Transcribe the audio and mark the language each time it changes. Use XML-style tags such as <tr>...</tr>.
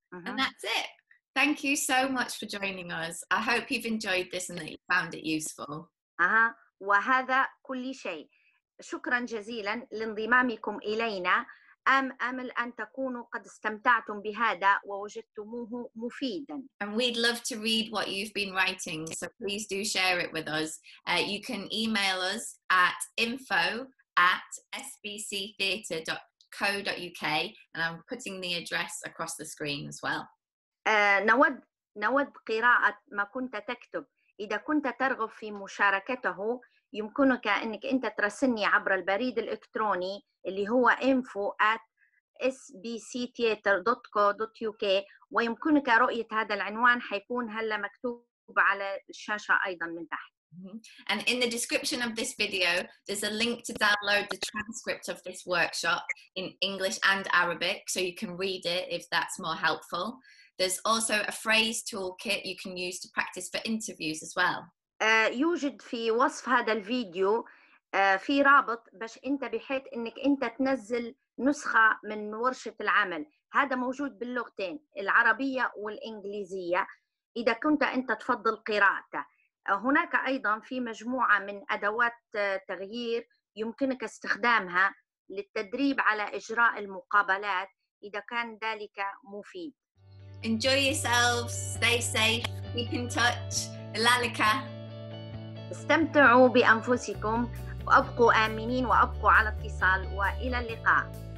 <en>And that's it. Thank you so much for joining us. I hope you've enjoyed this and that you found it useful.</en> <ar>وهذا كل شيء. شكراً جزيلاً لانضمامكم إلينا. أمل أن تكونوا قد استمتعتم بهذا ووجدتموه مفيداً.</ar> <en>And we'd love to read what you've been writing, so please do share it with us. You can email us at info@sbctheatre.co.uk and I'm putting the address across the screen as well.</en> <ar>نود قراءة ما كنت تكتب. إذا كنت ترغب في مشاركته يمكنك أنك أنت ترسلني عبر البريد الإلكتروني اللي هو info@sbctheatre.co.uk ويمكنك رؤية هذا العنوان حيكون هلا مكتوب على الشاشة أيضا من تحت.</ar> <en>And in the description of this video, there's a link to download the transcript of this workshop in English and Arabic, so you can read it if that's more helpful. There's also a phrase toolkit you can use to practice for interviews as well.</en> <ar>يوجد في وصف هذا الفيديو في رابط باش انت بحيث انك انت تنزل نسخة من ورشة العمل. هذا موجود باللغتين العربية والإنجليزية إذا كنت انت تفضل قراءته. هناك أيضا في مجموعة من أدوات تغيير يمكنك استخدامها للتدريب على إجراء المقابلات إذا كان ذلك مفيد.</ar> <en>Enjoy yourselves, stay safe, keep in touch. لالكا.</en> <ar>استمتعوا بأنفسكم وأبقوا آمنين وأبقوا على اتصال وإلى اللقاء.</ar>